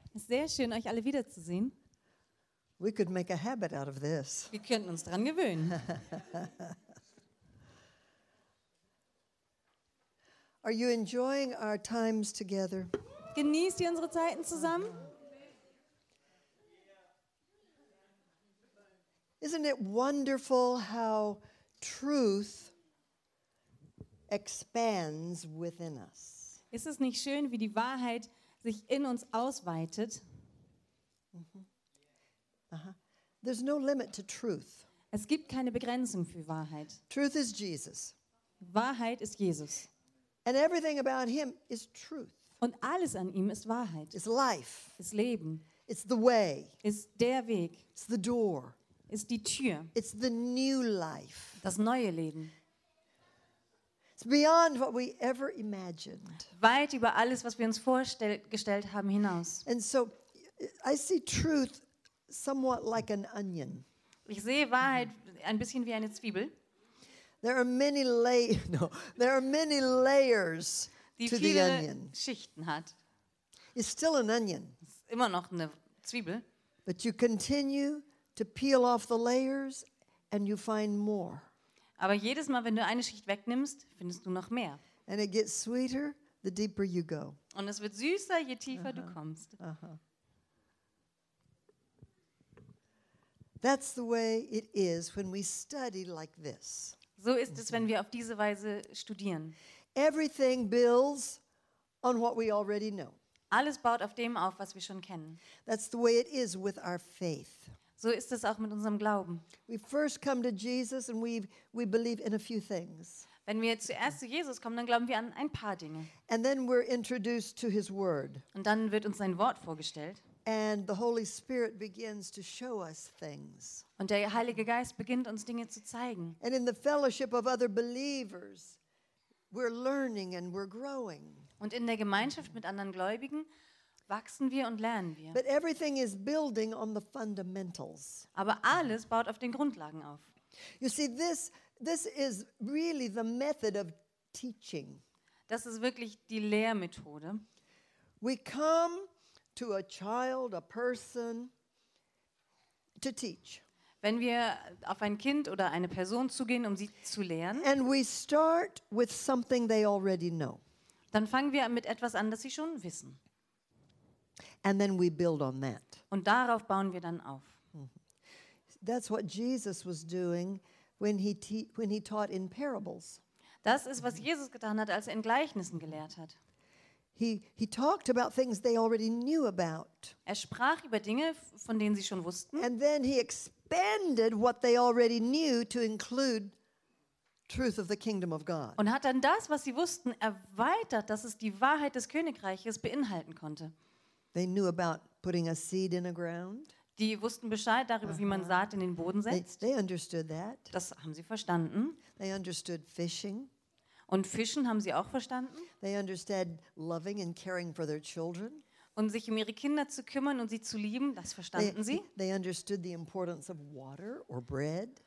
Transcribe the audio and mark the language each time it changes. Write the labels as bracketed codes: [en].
[de] Sehr schön, euch alle wiederzusehen. [en] We could make a habit out of this. [de] Wir könnten uns dran gewöhnen. [en] Are you enjoying our times together? [de] Genießt ihr unsere Zeiten zusammen? [en] Isn't it wonderful how truth expands within us? [de] Ist es nicht schön, wie die Wahrheit sich in uns ausweitet? [en] There's no limit to truth. [de] Es gibt keine Begrenzung für Wahrheit. [en] Truth is Jesus. [de] Wahrheit ist Jesus. [en] And everything about him is truth. [de] Und alles an ihm ist Wahrheit. [en] It's life. [de] Ist Leben. [en] It's the way. [de] Ist der Weg. [en] It's the door. [de] Ist die Tür. [en] It's the new life. [de] Das neue Leben. [en] It's beyond what we ever imagined. [de] Weit über alles, was wir uns vorgestellt haben, hinaus. [en] And so I see truth somewhat like an onion. [de] Ich sehe Wahrheit ein bisschen wie eine Zwiebel. [en] There are many layers to the onion. [de] Die viele Schichten hat. [en] It's still an onion. [de] Immer noch eine Zwiebel. [en] But you continue to peel off the layers and you find more. [de] Aber jedes Mal, wenn du eine Schicht wegnimmst, findest du noch mehr. [en] And it gets sweeter the deeper you go. [de] Und es wird süßer, je tiefer du kommst. [en] That's the way it is when we study like this. [de] So ist es, wenn wir auf diese Weise studieren. [en] Everything builds on what we already know. [de] Alles baut auf dem auf, was wir schon kennen. [en] That's the way it is with our faith. [de] So ist es auch mit unserem Glauben. [en] We first come to Jesus and we believe in a few things. [de] Wenn wir zuerst zu Jesus kommen, dann glauben wir an ein paar Dinge. [en] And then we're introduced to his word. [de] Und dann wird uns sein Wort vorgestellt. [en] And the Holy Spirit begins to show us things. [de] Und der Heilige Geist beginnt uns Dinge zu zeigen. [en] And in the fellowship of other believers, we're learning and we're growing. [de] Und in der Gemeinschaft mit anderen Gläubigen wachsen wir und lernen wir. [en] But everything is building on the fundamentals. [de] Aber alles baut auf den Grundlagen auf. [en] You see, this is really the method of teaching. [de] Das ist wirklich die Lehrmethode. [en] We come to a child, a person, to teach. [de] Wenn wir auf ein Kind oder eine Person zugehen, um sie zu lehren, [en] and we start with something they already know. [de] Dann fangen wir mit etwas an, das sie schon wissen. [en] And then we build on that. [de] Und darauf bauen wir dann auf. [en] That's what Jesus was doing when he taught in parables. [de] Das ist, was Jesus getan hat, als er in Gleichnissen gelehrt hat. [en] He talked about things they already knew about. [de] Er sprach über Dinge, von denen sie schon wussten. [en] And then he expanded what they already knew to include truth of the kingdom of God. [de] Und hat dann das, was sie wussten, erweitert, dass es die Wahrheit des Königreiches beinhalten konnte. [en] They knew about putting a seed in a ground. [de] Die wussten Bescheid darüber, wie man Saat in den Boden setzt. [en] They understood that. [de] Das haben sie verstanden. [en] They understood fishing. [de] Und Fischen haben sie auch verstanden. [en] They understand loving and caring for their children. [de] Und sich um ihre Kinder zu kümmern und sie zu lieben, das verstanden sie. [en] They understood the importance of water or bread.